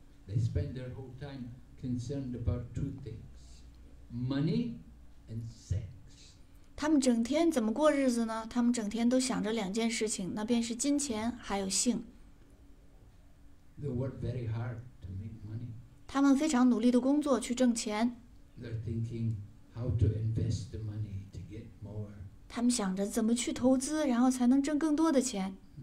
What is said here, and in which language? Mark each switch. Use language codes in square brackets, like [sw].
[en] They spend their whole time concerned about two things: money and sex. [zh] 他们整天怎么过日子呢？他们整天都想着两件事情，那便是金钱还有性。 [en] They work very hard to make money. [zh] 他们非常努力的工作去挣钱。 [en] They're thinking how to invest the money to get more. [zh] 他们想着怎么去投资，然后才能挣更多的钱。